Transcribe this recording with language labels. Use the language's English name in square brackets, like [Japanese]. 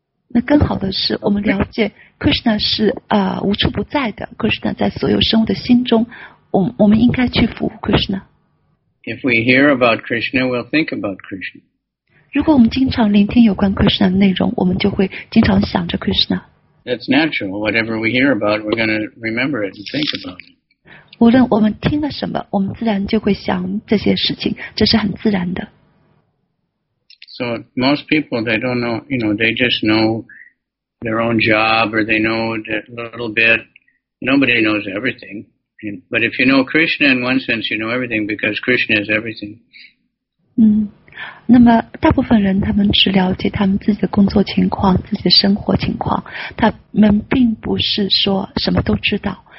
[Chinese] 那更好的是我们了解 Krishna 是无处不在的， Krishna 在所有生物的心中， 我们应该去服务 Krishna. [English] If we hear about Krishna, we'll think about Krishna. [Chinese] 如果我们经常聆听有关 Krishna 的内容，我们就会经常想着 Krishna. [English] That's natural. Whatever we hear about, we're going to remember it and think about it. [Chinese] 无论我们听了什么，我们自然就会想这些事情，这是很自然的。 [English] So most people, they don't know, you know, they just know their own job or they know a little bit. Nobody knows everything. But if you know Krishna, in one sense, you know everything because Krishna is everything. [Chinese] 那么大部分人他们只了解他们自己的工作情况，自己的生活情况。他们并不是说什么都知道。